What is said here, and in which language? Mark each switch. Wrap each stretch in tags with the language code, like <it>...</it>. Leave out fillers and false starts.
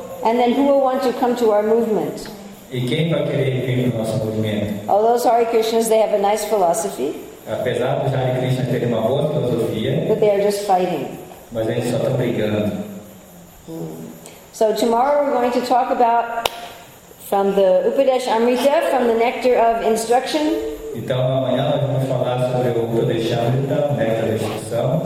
<en>And then who will want to come to our movement?</en> <pt>E quem vai querer vir no nosso movimento?</pt> <en>All those Hare Krishnas, they have a nice philosophy.</en> <pt>Apesar dos Hare Krishnas terem uma boa filosofia.</pt> <en>But they are just fighting.</en> <pt>Mas eles só estão brigando.</pt> <en>So tomorrow we're going to talk about from the Upadesha Amrita, from the nectar of instruction.</en> <pt>Então amanhã nós vamos falar sobre o Upadesha Amrita, nectar da instrução.</pt>